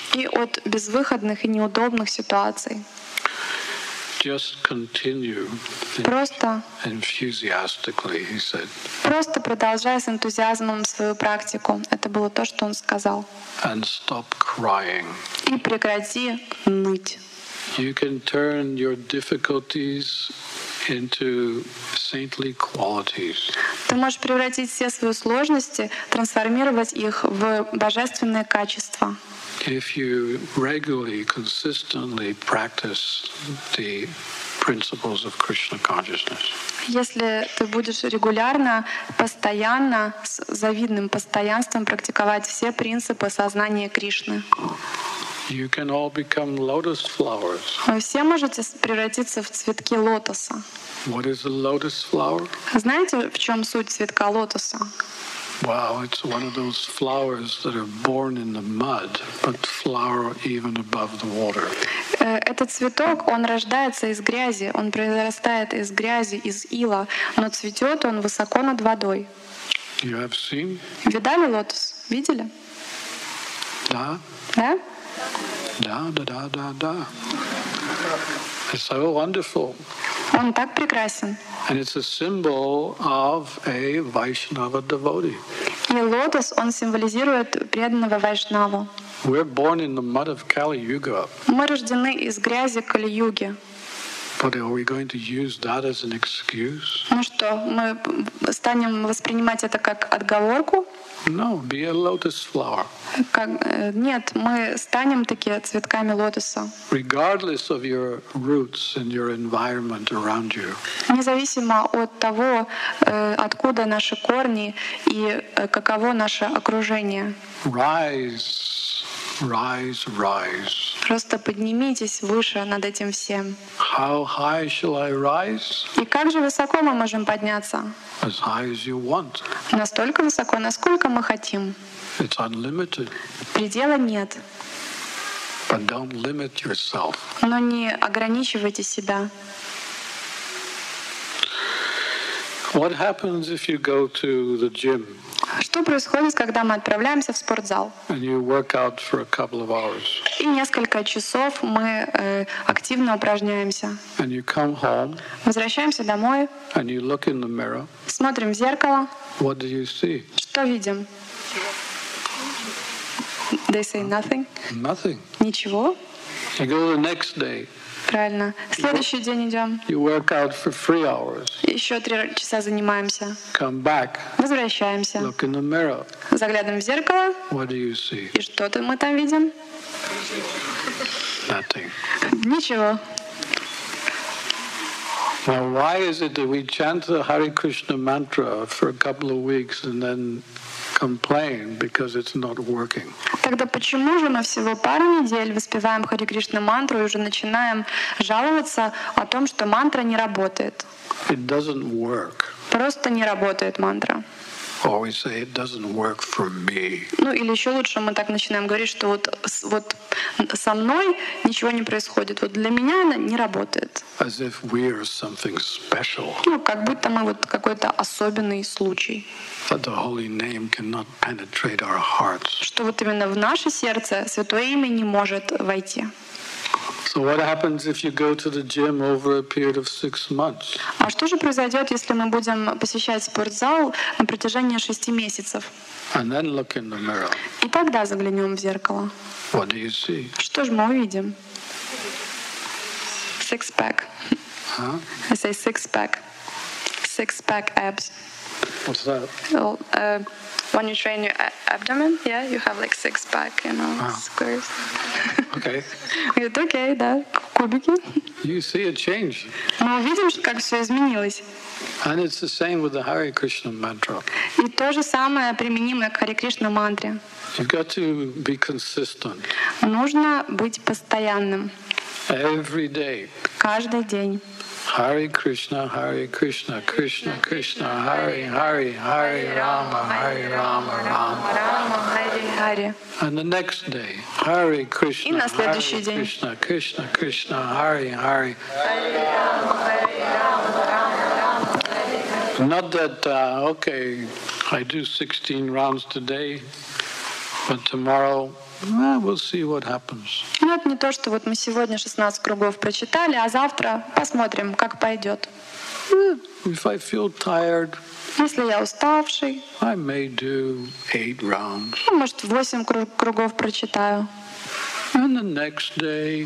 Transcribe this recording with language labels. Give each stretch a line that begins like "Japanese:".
Russian: И от безвыходных и неудобных ситуаций.
English: Just continue.
Russian: Просто.
English: Enthusiastically, he said.
Russian: Просто продолжай с энтузиазмом свою практику. Это было то, что он сказал.
English: And stop crying.
Russian: И прекрати ныть.
English: You can turn your difficulties into saintly qualities.
Russian: Ты можешь превратить все свои сложности, трансформировать их в божественные качества.
English: If you regularly, consistently practice the principles of Krishna consciousness.
Russian: Если ты будешь регулярно, постоянно, с завидным постоянством практиковать все принципы сознания Кришны,
English: you can all become lotus flowers.
Russian: Вы все можете превратиться в цветки лотоса.
English: What is a lotus flower?
Russian: Знаете, в чем суть цветка лотоса?
English: Wow, it's one of those flowers that are born in the mud, but flower even above the water.
Russian: Этот цветок, он рождается из грязи, он произрастает из грязи, из ила, но цветет он высоко над водой.
English: You have seen?
Russian: Видали лотос? Видели? Да. Да? Да, да, да, да, да.
English: It's so wonderful.
Russian: Он так прекрасен.
English: And it's a symbol of a Vaishnava devotee.
Russian: И лотос, он символизирует преданного вайшнаву.
English: We're born in the mud of Kali Yuga.
Russian: Мы рождены из грязи Кали-юги.
English: But are we going to use that as an excuse?
Russian: Ну что, мы станем воспринимать это как отговорку?
English: No, be a lotus flower.
Russian: Как, нет, мы станем такие цветками лотоса.
English: Regardless of your roots and your environment around you.
Russian: Независимо от того, откуда наши корни и каково наше окружение.
English: Rise, rise, rise.
Russian: Просто поднимитесь выше над этим всем.
English: How high shall I rise?
Russian: И как же высоко мы можем подняться?
English: As high as you want.
Russian: Настолько высоко, насколько мы хотим.
English: It's unlimited.
Russian: Предела нет.
English: But don't limit yourself.
Russian: Но не ограничивайте себя.
English: What happens if you go to the gym?
Russian: Что происходит, когда мы отправляемся в спортзал?
English: And you work out for a couple of hours.
Russian: И несколько часов мы активно упражняемся.
English: And you come home.
Russian: Возвращаемся домой.
English: And you look in the mirror.
Russian: Смотрим в зеркало.
English: What do you see?
Russian: Что видим?
English: They say nothing. Nothing.
Russian: Ничего.
English: You go the next day.
Russian: Правильно. Следующий день идем.
English: You work out for 3 hours.
Russian: Еще 3 часа занимаемся.
English: Come back.
Russian: Возвращаемся.
English: Look in the mirror.
Russian: Заглядываем в зеркало.
English: What do you see?
Russian: И что-то мы там видим?
English: Nothing.
Russian: Ничего.
English: Now, why is it that we chant the Hare Krishna mantra for a couple of weeks and then complain because it's not working?
Russian: Тогда почему же мы всего пару недель воспеваем Хари Кришна мантру и уже начинаем жаловаться о том, что мантра не работает?
English: It doesn't work.
Russian: Просто не работает мантра.
English: Or we say it doesn't work for me.
Russian: Ну или еще лучше мы так начинаем говорить, что вот со мной ничего не происходит, вот для меня она не работает.
English: As if we are something special.
Russian: Ну как будто мы вот какой-то особенный случай.
English: That the holy name cannot penetrate our hearts.
Russian: Что вот именно в наше сердце святое имя не может войти.
English: So what happens if you go to the gym over a period of 6 months?
Russian: А что же произойдет, если мы будем посещать спортзал на протяжении 6 месяцев?
English: And then look in the mirror.
Russian: И тогда заглянем в зеркало.
English: What do you see?
Russian: Что же мы увидим?
English: Six pack. Huh? I say six pack. Six pack abs. What's that? Well, when you train your abdomen, yeah, you have like six pack, you know, squares. Okay. It's okay,
Russian: да, кубики.
English: You see a change.
Russian: Мы видим, как все изменилось.
English: And it's the same with the Hare Krishna mantra.
Russian: И то же самое применимо к Хари Кришна мантре.
English: You've got to be consistent.
Russian: Нужно быть постоянным.
English: Every day.
Russian: Каждый день.
Sanskrit: Hare Krishna, Hare Krishna, Krishna Krishna, Hare Hare, Hare Rama, Hare Rama, Rama Rama, Hare Hare.
English: And the next day,
Sanskrit: Hare Krishna, Hare Krishna, Krishna Krishna, Hare Hare. Hare Rama, Hare Rama, Rama Rama, Hare.
English: Not that, okay, I do 16 rounds today, but tomorrow, we'll see what happens.
Russian: Нет, не то, что вот мы сегодня 16 кругов прочитали, а завтра посмотрим, как пойдет.
English: If I feel tired,
Russian: если я уставший,
English: I may do 8 rounds.
Russian: Ну, может, 8 кругов прочитаю.
English: And the next day,